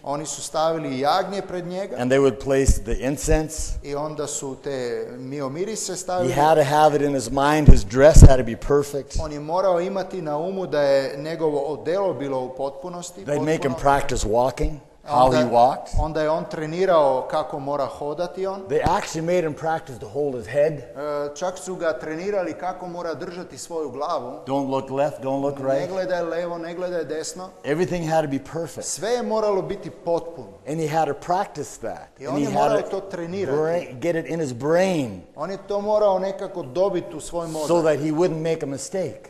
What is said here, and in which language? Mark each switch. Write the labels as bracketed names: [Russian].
[Croatian] Oni su stavili jagnje pred njega. [English] And they would place the incense. [Croatian] I onda su te miomirise stavili. [English] He had to have it in his mind, his dress had to be perfect. [Croatian] On je morao imati na umu da je njegovo odelo bilo u potpunosti. [English] They'd make him practice walking. How he walked. [Croatian] Onda je on trenirao kako mora hodati on. [English] They actually made him practice to hold his head. [Croatian] Čak su ga trenirali kako mora držati svoju glavu. [English] Don't look left, don't look right. [Croatian] Ne gledaj levo, ne gledaj desno. [English] Everything had to be perfect. [Croatian] Sve je moralo biti potpuno. [English] And he had to practice that. [Croatian] I on je morao to trenirati. [English] Get it in his brain. [Croatian] On je to morao nekako dobiti u svoj mozak. [English] So that he wouldn't make a mistake.